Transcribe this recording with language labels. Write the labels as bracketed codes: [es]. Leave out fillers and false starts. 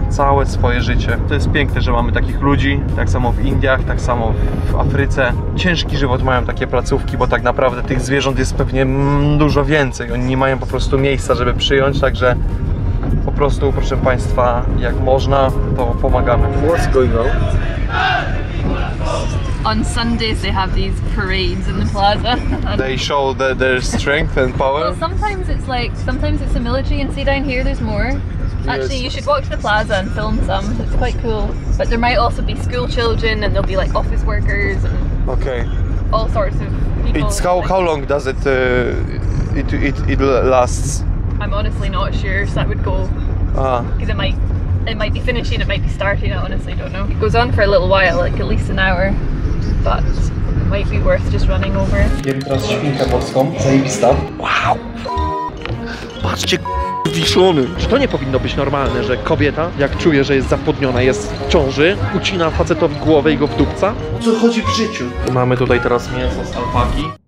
[pl] Całe swoje życie. To jest piękne, że mamy takich ludzi, tak samo w Indiach, tak samo w Afryce. Ciężki żywot mają takie placówki, bo tak naprawdę tych zwierząt jest pewnie dużo więcej. Oni nie mają po prostu miejsca, żeby przyjąć, także po prostu, proszę Państwa, jak można, to pomagamy. [en] What's going on? On Sundays they have these parades in the plaza. They show their strength and power. Well, sometimes it's the military, and see down here there's more. Yes. Actually, you should walk to the plaza and film some. It's quite cool. But there might also be school children and there'll be like office workers and okay. All sorts of people. It's how long does it it lasts? I'm honestly not sure, so that would go. Because it might be finishing, it might be starting, I honestly don't know. It goes on for a little while, like at least an hour. But might be worth just running over. [pl] Jem teraz świnkę morską, zajebista. Wow! Patrzcie, wiszony. Czy to nie powinno być normalne, że kobieta, jak czuje, że jest zapłodniona, jest w ciąży, ucina facetowi głowę i go w dupca? O co chodzi w życiu? Mamy tutaj teraz mięso z alpaki.